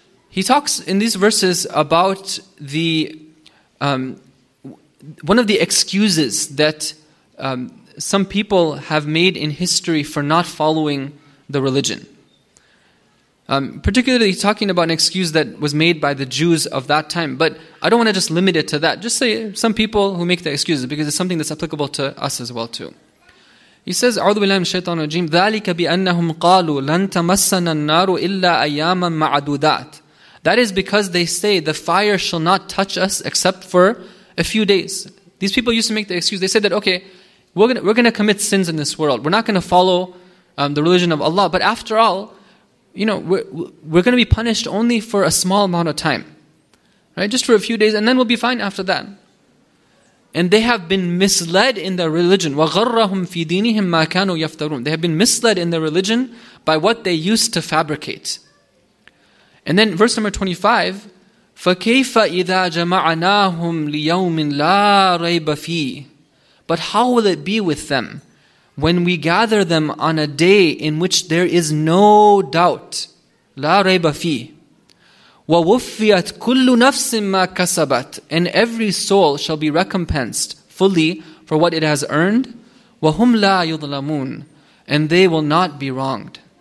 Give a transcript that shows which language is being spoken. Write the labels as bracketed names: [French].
[English] He talks in these verses about the one of the excuses that some people have made in history for not following the religion. Particularly talking about an excuse that was made by the Jews of that time. But I don't want to just limit it to that. Just say some people who make the excuses, because it's something that's applicable to us as well too. He says, [Arabic] أعوذ بالله من الشيطان الرجيم ذَلِكَ بِأَنَّهُمْ قَالُوا لَن تَمَسَّنَا النَّارُ إِلَّا أَيَّامًا مَعَدُودَاتٍ. [English] That is because they say the fire shall not touch us except for a few days. These people used to make the excuse. They said that, okay, we're gonna commit sins in this world. We're not going to follow the religion of Allah. But after all, you know, we're going to be punished only for a small amount of time. Right? Just for a few days, and then we'll be fine after that. And they have been misled in their religion. [Arabic] وَغَرَّهُمْ فِي دِينِهِمْ مَا كَانُوا يَفْتَرُونَ. [English] They have been misled in their religion by what they used to fabricate. And then verse number 25, [Arabic] فَكَيْفَ إِذَا جَمَعَنَاهُمْ لِيَوْمٍ لَا رَيْبَ فِيهِ. [English] But how will it be with them when we gather them on a day in which there is no doubt, [Arabic] la rayba fi, wa wuffiyat kullu nafsin ma kasabat, [English] and every soul shall be recompensed fully for what it has earned, [Arabic] wa hum la yudlamun, [English] and they will not be wronged.